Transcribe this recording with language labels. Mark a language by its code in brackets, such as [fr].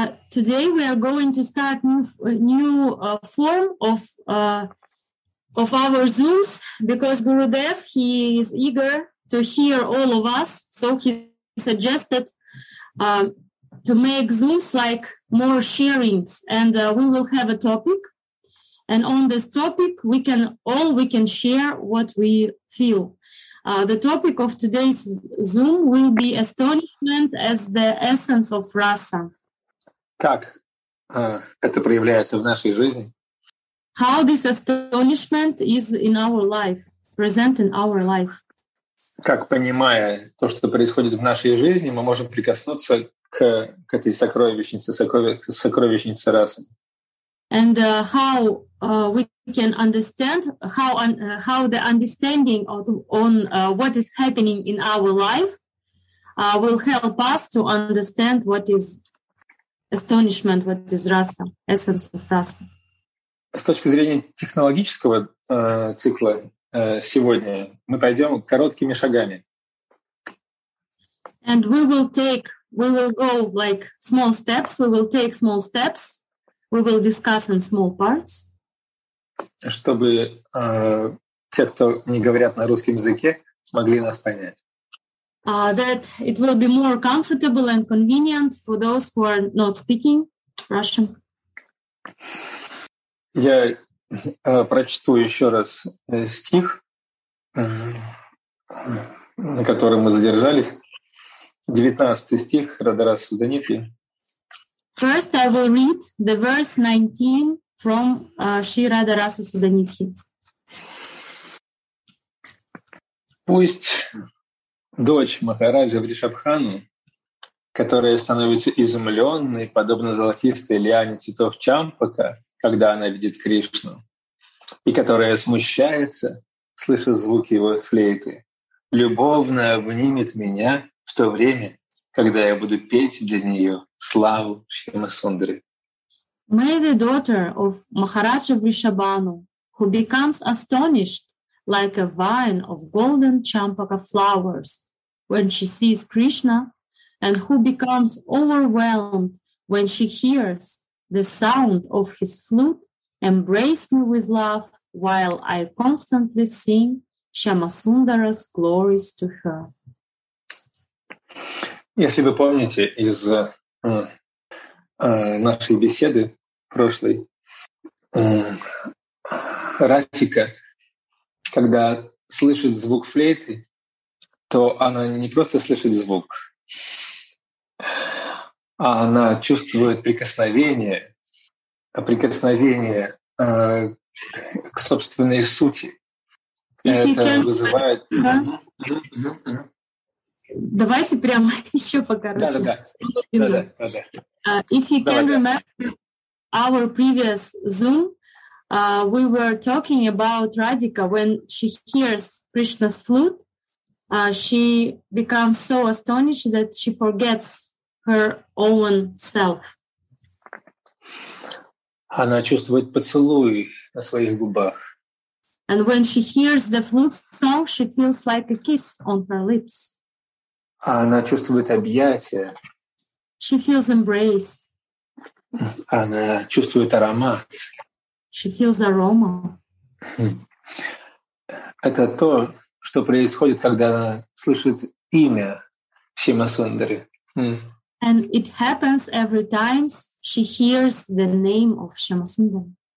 [en] Today we are going to start new form of our Zooms, because Gurudev, he is eager to hear all of us, so he suggested to make Zooms like more sharings, and we will have a topic, and on this topic we can share what we feel. The topic of today's Zoom will be astonishment as the essence of rasa. [ru] Как это проявляется в нашей жизни? [en] How this astonishment is in our life, present in our life. [ru] Как, понимая то, что происходит в нашей жизни, мы можем прикоснуться к этой сокровищнице, сокровищнице расы. [en] And how we can understand how the understanding of on what is happening in our life will help us to understand what is astonishment, what is rasa, essence of rasa. [ru] С точки зрения технологического цикла сегодня мы пойдем короткими шагами. [en] And we will go like small steps. We will take small steps. We will discuss in small parts. [ru] Чтобы те, кто не говорят на русском языке, смогли нас понять. [en] That it will be more comfortable and convenient for those who are not speaking Russian. [ru] Я прочту еще раз стих, на котором мы задержались. 19 стих Радхарасы Даниты. [en] First I will read the verse 19 from Shri Radharasa Sudanithi. [ru] Пусть дочь Махараджа Вришабханы, которая становится изумленной, подобно золотистой лиане цветов Чампака, когда она видит Кришну, и которая смущается, слыша звук его флейты, любовно обнимет меня в то время, когда я буду петь для нее славу Шримасундры. [en] May the daughter of Maharaja Vrishabhanu, who becomes astonished like a vine of golden champaka flowers when she sees Krishna, and who becomes overwhelmed when she hears the sound of his flute, embrace me with love while I constantly sing Shyamasundara's glories to her. [ru] Если вы помните из нашей беседы прошлой, Ратика, когда слышит звук флейты, то она не просто слышит звук, а она чувствует прикосновение к собственной сути. Вызывает... Давайте прямо еще покороче. Да. [en] If you can remember our previous Zoom, we were talking about Radhika. When she hears Krishna's flute, she becomes so astonished that she forgets her own self. [ru] Она чувствует поцелуй на своих губах. [en] And when she hears the flute song, she feels like a kiss on her lips. [ru] Она чувствует объятия. [en] She feels embraced. [ru] Она чувствует аромат. [en] She feels aroma. [ru] Это то, что происходит, когда она слышит имя Шимасундары. [en] And it happens every time she hears the name of Shyamasundara.